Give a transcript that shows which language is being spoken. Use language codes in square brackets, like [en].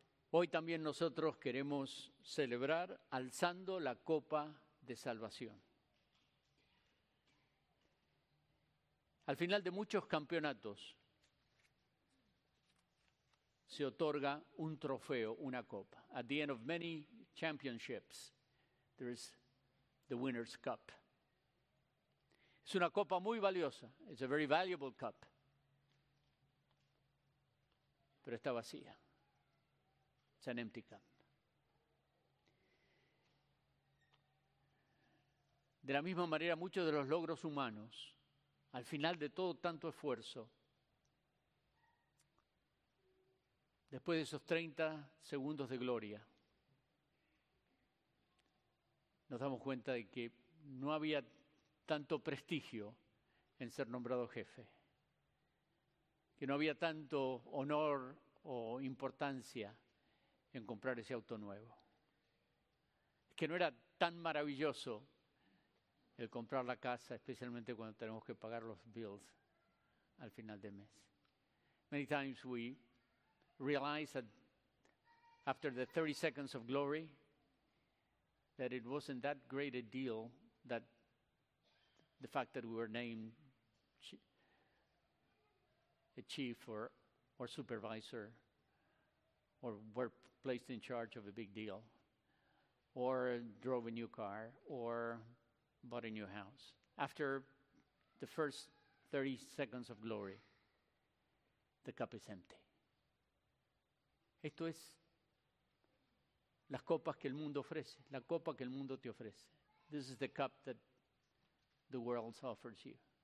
[es] Hoy también nosotros queremos celebrar alzando la copa de salvación. Al final de muchos campeonatos se otorga un trofeo, una copa. [en] At the end of many championships, there is the winner's cup. [es] Es una copa muy valiosa. [en] It's a very valuable cup. [es] Pero está vacía. [en] It's an empty cup. [es] De la misma manera, muchos de los logros humanos, al final de todo tanto esfuerzo, después de esos 30 segundos de gloria, nos damos cuenta de que no había tanto prestigio en ser nombrado jefe, que no había tanto honor o importancia en comprar ese auto nuevo, que no era tan maravilloso el comprar la casa, especialmente cuando tenemos que pagar los bills al final de mes. [en] Many times we realize that after the 30 seconds of glory that it wasn't that great a deal, that the fact that we were named a chief or supervisor or were placed in charge of a big deal or drove a new car or bought a new house. After the first 30 seconds of glory, the cup is empty. [es] Esto es las copas que el mundo ofrece, la copa que el mundo te ofrece. [en] This is the cup that the world offers you.